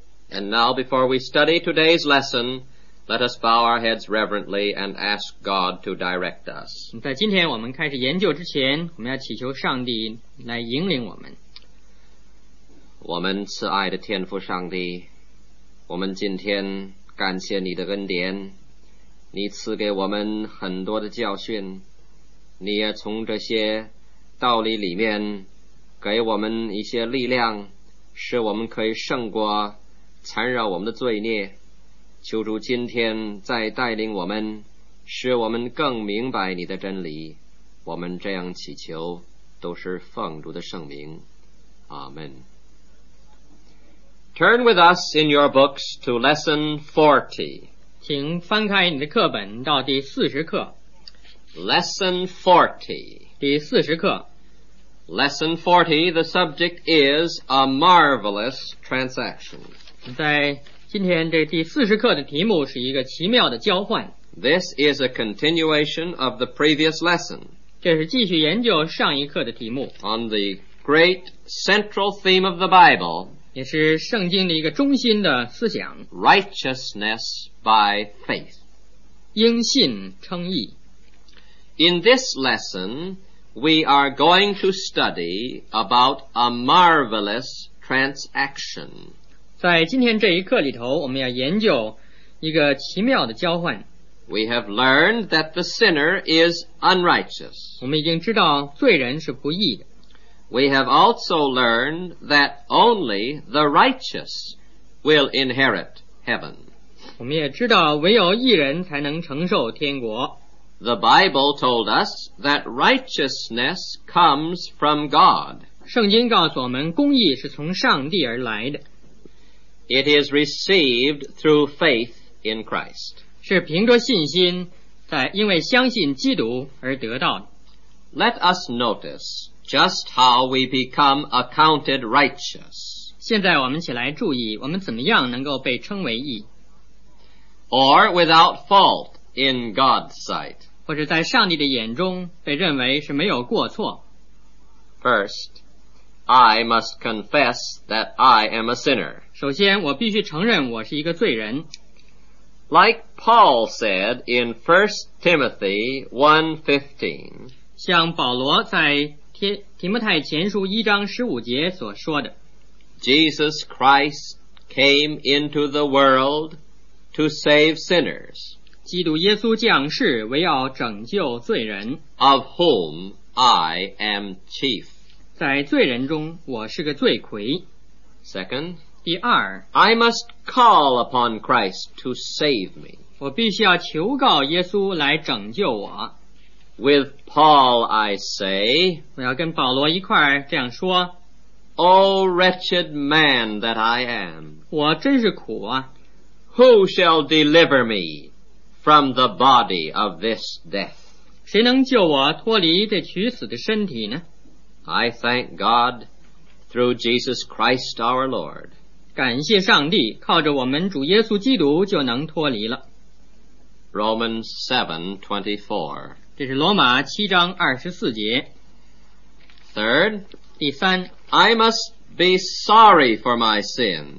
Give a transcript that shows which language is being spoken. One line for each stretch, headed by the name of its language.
English: And now before we study today's lesson, let us bow our heads reverently and ask God to direct us.
Chinese: 在今天我们开始研究之前，我们要祈求上帝来引领我们。我们慈爱的天父上帝，我们今天感谢你的恩典，你赐给我们很多的教训，你也从这些道理里面给我们一些力量，使我们可以胜过缠绕我们的罪孽。求主今天再带领我们，使我们更明白你的真理。我们这样祈求，都是奉主的圣名，阿们。
English: Turn with us in your books to lesson 40.
Chinese: 请翻开你的课本到第四十课。
English: Lesson 40.
Chinese: 第四十课。
English: Lesson 40, the subject is a marvelous transaction.
Chinese: 在今天这第四十课的题目是一个奇妙的交换。
English: This is a continuation of the previous lesson.
Chinese: 这是继续研究上一课的题目。
English: On the great central theme of the Bible,
Chinese: 也是圣经的一个中心的思想。
English: Righteousness by faith.
Chinese: 应信称义。
English: In this lesson, we are going to study about a marvelous transaction.
Chinese: 在今天这一课里头，我们要研究一个奇妙的交换。
English: We have learned that the sinner is unrighteous.
Chinese: 我们已经知道罪人是不义的。
English: We have also learned that only the righteous will inherit heaven.
Chinese: 我们也知道唯有义人才能承受天国。
English: The Bible told us that righteousness comes from God.
Chinese: 圣经告诉我们公义是从上帝而来的。
English: It is received through faith in Christ.
Chinese: 是凭着信心，在因为相信基督而得到的。
English: Let us notice just how we become accounted righteous.
Chinese: 现在我们起来注意，我们怎么样能够被称为义。
English: Or without fault in God's sight.
Chinese: 或者在上帝的眼中被认为是没有过错。
English: First, I must confess that I am a sinner.
Chinese: 首先我必须承认我是一个罪人。
English: Like Paul said in 1 Timothy 1:15,
Chinese: 像保罗在提摩太前书一章十五节所说的，
English: Jesus Christ came into the world to save sinners.
Chinese: 基督耶稣降世为要拯救罪人。
English: Of whom I am chief.
Chinese: 在罪人中我是个罪魁。
English: Second,
Chinese: 第二，
English: I must call upon Christ to save me.
Chinese: 我必须要求告耶稣来拯救我。
English: With Paul I say,
Chinese: 我要跟保罗一块这样说，
English: O wretched man that I am,
Chinese: 我真是苦啊，
English: Who shall deliver me from the body of this death?
Chinese: 谁能救我脱离这取死的身体呢？
English: I thank God through Jesus Christ our Lord.
Chinese: 感谢上帝，靠着我们主耶稣基督就能脱离了。
English: Romans 7:24,
Chinese: 这是罗马七章二十四节。
English: Third,
Chinese: 第三，
English: I must be sorry for my sins.